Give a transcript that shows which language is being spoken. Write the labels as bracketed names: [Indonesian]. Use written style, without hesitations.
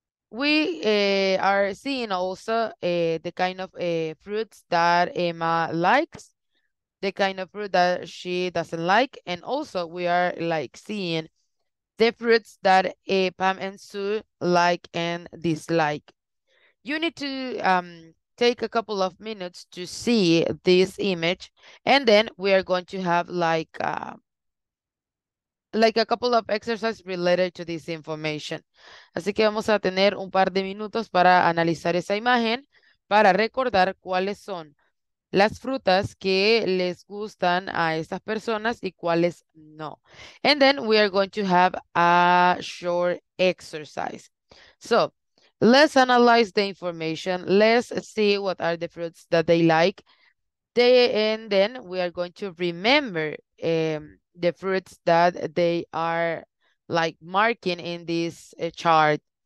[English] We are seeing also the kind of fruits that Emma likes, the kind of fruit that she doesn't like, and also we are like seeing the fruits that Pam and Sue like and dislike. You need to take a couple of minutes to see this image, and then we are going to have like a couple of exercises related to this information. [Spanish] Así que vamos a tener un par de minutos para analizar esa imagen, para recordar cuáles son las frutas que les gustan a estas personas y cuáles no. [English] And then we are going to have a short exercise. So, let's analyze the information. Let's see what are the fruits that they like. And then we are going to remember the fruits that they are like marking in this chart.